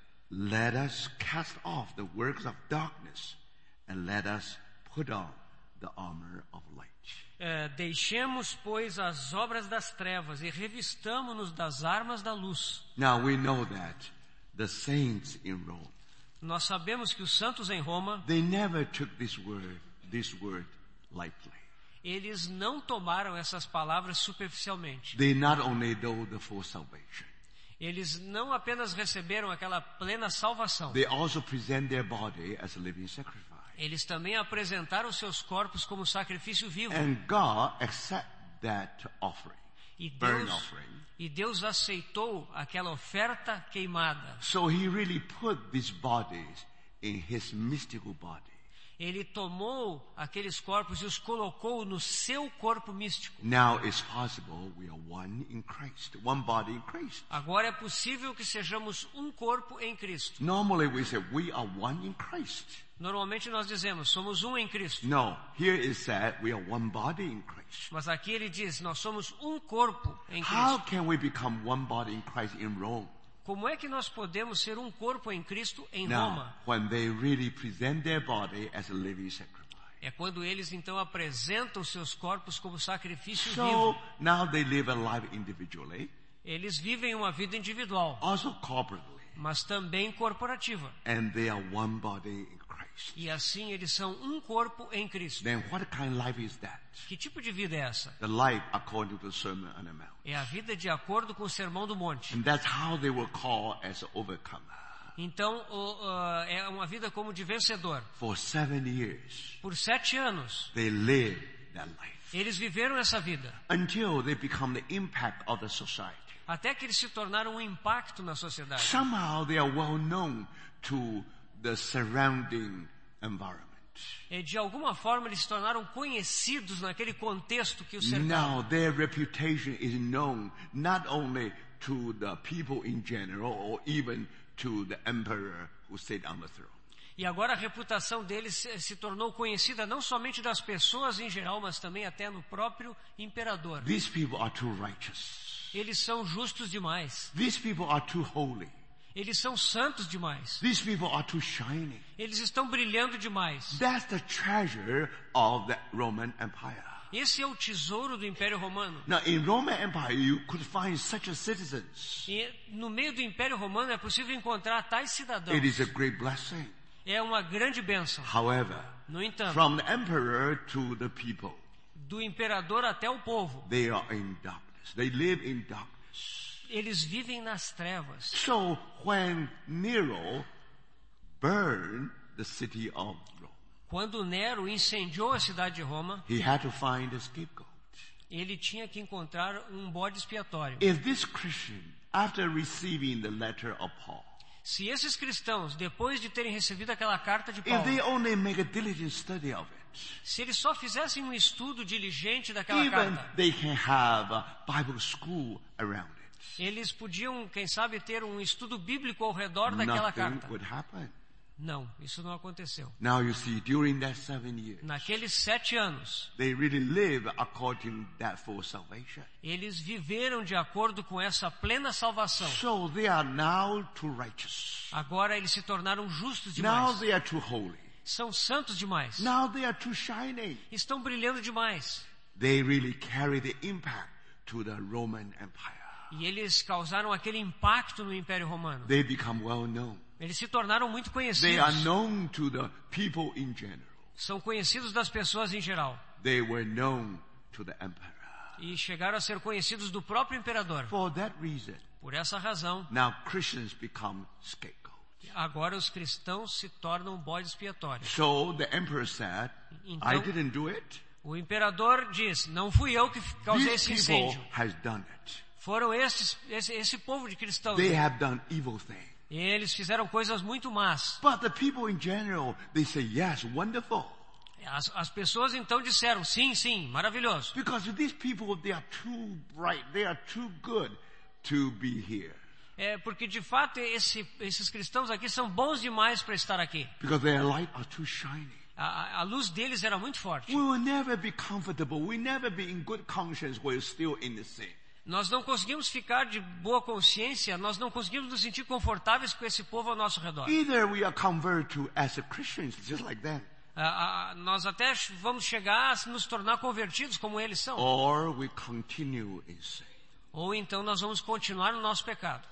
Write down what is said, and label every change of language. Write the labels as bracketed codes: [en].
[en] Let us cast off the works of darkness and let us put on the armor of light. [pt] Deixemos, pois, as obras das trevas e revistamo-nos das armas da luz. [en] Now we know that the saints in Rome. [pt] Nós sabemos que os santos em Roma. [en] They never took this word lightly. [pt] Eles não tomaram essas palavras superficialmente. [en] They not only know the full salvation. [pt] Eles não apenas receberam aquela plena salvação. [en] They also present their body as a living sacrifice. [pt] Eles também apresentaram seus corpos como sacrifício vivo. [en] And God accepted that offering, burnt offering. [pt] E Deus aceitou aquela oferta queimada. [en] So he really put these bodies in his mystical body. [pt] Ele tomou aqueles corpos e os colocou no seu corpo místico. [en] Now it's possible we are one in Christ, one body in Christ. [pt] Agora é possível que sejamos um corpo em Cristo. [en] Normally we say we are one in Christ. [pt] Normalmente nós dizemos somos um em Cristo. [en] No, here it said we are one body in Christ. [pt] Mas aqui ele diz nós somos um corpo em Cristo. [en] How can we become one body in Christ in Rome? [pt] Como é que nós podemos ser um corpo em Cristo em [en] Now, [pt] Roma? [en] When they really present their body as a living sacrifice. [pt] É quando eles então apresentam seus corpos como sacrifício [en] so, [pt] vivo. [en] Now they live a life individually. [pt] Eles vivem uma vida individual. [en] Also corporately. [pt] Mas também corporativa. [en] And they are one body in Christ. [pt] E assim eles são um corpo em Cristo. [en] Then what kind of life is that? [pt] Que tipo de vida é essa? [en] The life according to the Sermon on the Mount. [pt] É a vida de acordo com o Sermão do Monte. [en] And that's how they were called as overcomer. [pt] Então, é uma vida como de vencedor. [en] For 7 years. [pt] Por 7 anos. [en] They live that life. [pt] Eles viveram essa vida. [en] Until they become the impact of the society. [pt] Até que eles se tornaram um impacto na sociedade. [en] Somehow they are well known to the surrounding environment. [pt] E de alguma forma eles se tornaram conhecidos naquele contexto que os cercava. [en] Now their reputation is known not only to the people in general or even to the emperor who sat on the throne. [pt] E agora a reputação deles se tornou conhecida não somente das pessoas em geral, mas também até no próprio imperador. [en] These people are too righteous. [pt] Eles são justos demais. [en] These people are too holy. [pt] Eles são santos demais. [en] These people are too shining. [pt] Eles estão brilhando demais. [en] That's the treasure of the Roman Empire. [pt] Esse é o tesouro do Império Romano. [en] Now, in Roman Empire, you could find such a citizens. [pt] E no meio do Império Romano é possível encontrar tais cidadãos. [en] It is a great blessing. [pt] É uma grande bênção. [en] However, [pt] no entanto, [en] from the emperor to the people, [pt] do imperador até o povo, [en] they are in darkness. They live in darkness. [pt] Eles vivem nas trevas. [en] So when Nero burned the city of Rome, [pt] quando Nero incendiou a cidade de Roma, [en] he had to find a scapegoat. [pt] Ele tinha que encontrar um bode expiatório. [en] If this Christian, after receiving the letter of Paul, [pt] se esses cristãos, depois de terem recebido aquela carta de Paulo, [en] if they only make a diligent study of it, [pt] se eles só fizessem um estudo diligente daquela [en] even [pt] carta, [en] they can have a Bible school around it, [pt] eles podiam, quem sabe, ter um estudo bíblico ao redor [en] nothing [pt] daquela carta. [en] Would happen. [pt] Não, isso não aconteceu. [en] Now you see, during that 7 years, [pt] naqueles 7 anos, [en] they really live according that full salvation. [pt] Eles viveram de acordo com essa plena salvação. [en] So they are now too righteous. [pt] Agora eles se tornaram justos demais. [en] Now they are too holy. [pt] São santos demais. [en] Now they are too shining. [pt] Estão brilhando demais. [en] They really carry the impact to the Roman Empire. [pt] E eles causaram aquele impacto no Império Romano. [en] They become well known. [pt] Eles se tornaram muito conhecidos. [en] They are known to the people in general. [pt] São conhecidos das pessoas em geral. [en] They were known to the emperor. [pt] e chegaram a ser conhecidos do próprio imperador. [en] For that reason, [pt] por essa razão, [en] now Christians become scapegoats. [pt] Agora os cristãos se tornam bodes expiatórios. [en] So the emperor said, [pt] então, [en] I didn't do it. [pt] O imperador diz, não fui eu que causei [en] These [pt] esse incêndio. [en] People has done it. [pt] Foram esse povo de cristãos. [en] They have done evil things. [pt] E eles fizeram coisas muito más. [en] But the people in general, they say, yes, wonderful. [pt] As pessoas então disseram, sim, sim, maravilhoso. [en] Because these people, they are too bright, they are too good to be here. [pt] É porque de fato esses cristãos aqui são bons demais para estar aqui. [en] Because their light are too shiny. [pt] A luz deles era muito forte. [en] We will never be comfortable. We never be in good conscience while still in the sin. [pt] Nós não conseguimos ficar de boa consciência, nós não conseguimos nos sentir confortáveis com esse povo ao nosso redor. [en] Either we are converted as a Christians, just like them. [pt] Nós até vamos chegar a nos tornar convertidos como eles são. [en] Or we continue in sin. [pt] Ou então nós vamos continuar no nosso pecado.